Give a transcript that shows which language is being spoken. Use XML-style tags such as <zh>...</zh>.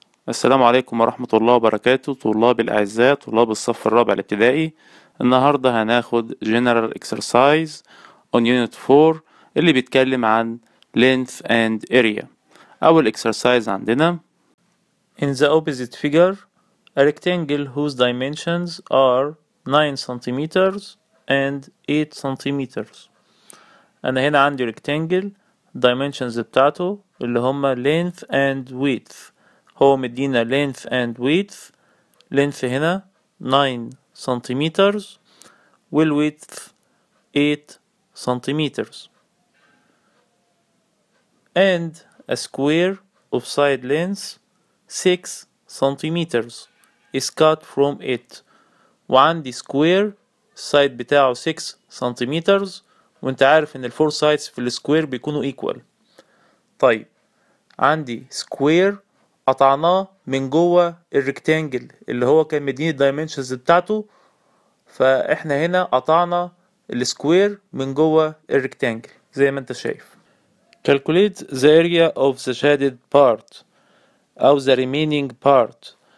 <ar>السلام عليكم ورحمة الله وبركاته، طلاب الأعزاء، طلاب الصف الرابع الابتدائي. النهاردة هناخد</ar> <en>General Exercise on Unit 4 اللي بيتكلم عن Length and Area.</en> <ar>أول Exercise عندنا:</ar> <en>In the opposite figure, a rectangle whose dimensions are 9 centimeters and 8 centimeters.</en> <ar>أنا هنا عندي rectangle dimensions بتاعته اللي هما Length and Width. هو مدينا</ar> <en>length and width. length هنا 9 centimeters والwidth 8 centimeters. and a square of side length 6 centimeters is cut from it.</en> <ar>وعندي square side بتاعه 6 centimeters، وانت عارف ان الفور sides في السكوير بيكونوا equal. طيب عندي square قطعناه من جوه الريكتانجل اللي هو كان مديني الدايمنشنز بتاعته، فاحنا هنا قطعنا السكوير من جوه الريكتانجل زي ما انت شايف.</ar> <en>Calculate the area of the shaded part او the remaining part.</en>